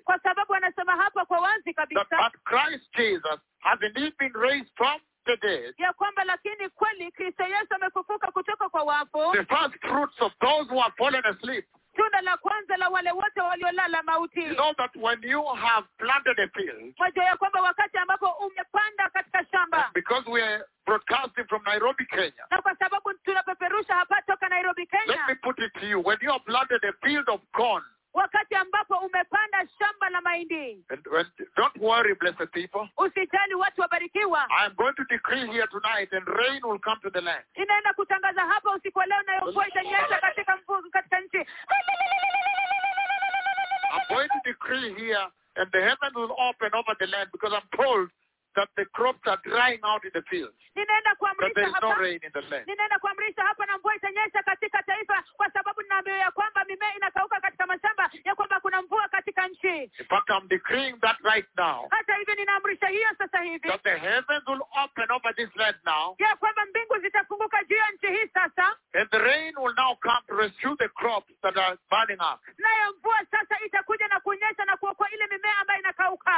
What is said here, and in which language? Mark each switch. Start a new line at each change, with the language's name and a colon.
Swahili: Kwa sababu anasema hapa kwa wazi kabisa.
English: That Christ Jesus has indeed been raised from the dead.
Swahili: Ya kwamba lakini kweli Kristo Yesu amefufuka kutoka kwa wafu.
English: The first fruits of those who have fallen asleep.
Swahili: Tunda la kwanza la wale wote waliolala mauti.
English: You know that when you have planted a field.
Swahili: Wajua ya kwamba wakati ambapo umepanda katika shamba.
English: Because we are broadcasting from Nairobi, Kenya.
Swahili: Na kwa sababu tunapeperusha hapa toka Nairobi, Kenya.
English: Let me put it to you. When you have planted a field of corn.
Swahili: Wakati ambapo umepanda shamba la mahindi.
English: Don't worry, blessed people.
Swahili: Usijali watu wabarikiwa.
English: I am going to decree here tonight and rain will come to the land.
Swahili: Inaenda kutangaza hapa usiku leo na mvua itanyesha katika mvua katika nchi.
English: I'm going to decree here and the heavens will open over the land because I'm told that the crops are drying out in the fields.
Swahili: Ninaenda kuamrisha hapa.
English: There's no rain in the land.
Swahili: Ninaenda kuamrisha hapa na mvua itanyesha katika taifa kwa sababu ninaambiwa ya kwamba mimea inakauka katika mashamba ya kwamba kuna mvua katika nchi.
English: In fact, I'm decreeing that right now.
Swahili: Hata hivi ninaamrisha hiyo sasa hivi.
English: That the heavens will open over this land now.
Swahili: Ya kwamba mbingu zitafunguka juu ya nchi hii sasa.
English: And the rain will now come to rescue the crops that are burning up.
Swahili: Na hiyo mvua sasa itakuja na kunyesha na kuokoa ile mimea ambayo inakauka.